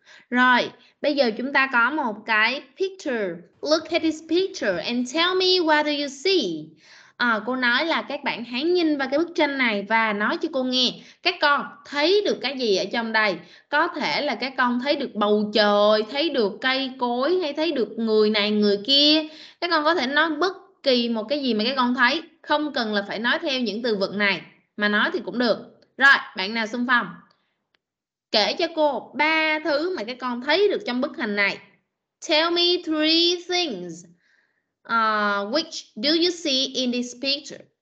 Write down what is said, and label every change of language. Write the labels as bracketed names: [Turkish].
[Vietnamese] Rồi, bây giờ chúng ta có một cái picture. [English] Look at this picture and tell me what do you see? [Vietnamese] Cô nói là các bạn hãy nhìn vào cái bức tranh này và nói cho cô nghe. Các con thấy được cái gì ở trong đây? Có thể là các con thấy được bầu trời, thấy được cây cối hay thấy được người này người kia. Các con có thể nói bất kỳ một cái gì mà các con thấy, không cần là phải nói theo những từ vựng này mà nói thì cũng được. Rồi, bạn nào xung phong kể cho cô 3 thứ mà các con thấy được trong bức hình này. [English] Tell me 3 things which do you see in this picture?